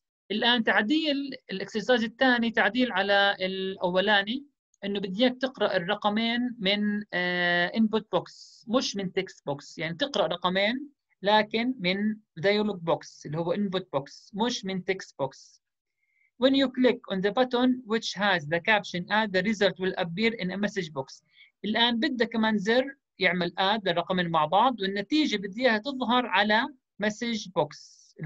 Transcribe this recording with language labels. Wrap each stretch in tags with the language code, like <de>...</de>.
<ar>الآن تعديل الاكسرسايز الثاني، تعديل على الأولاني، إنه بديك تقرأ الرقمين من input box مش من text box. يعني تقرأ رقمين لكن من dialog box اللي هو input box مش من text box.</ar> <en>When you click on the button which has the caption add, the result will appear in a message box.</en> <ar>الآن بدك كمان زر يعمل add الرقمين مع بعض، والنتيجة بديها تظهر على message box.</ar>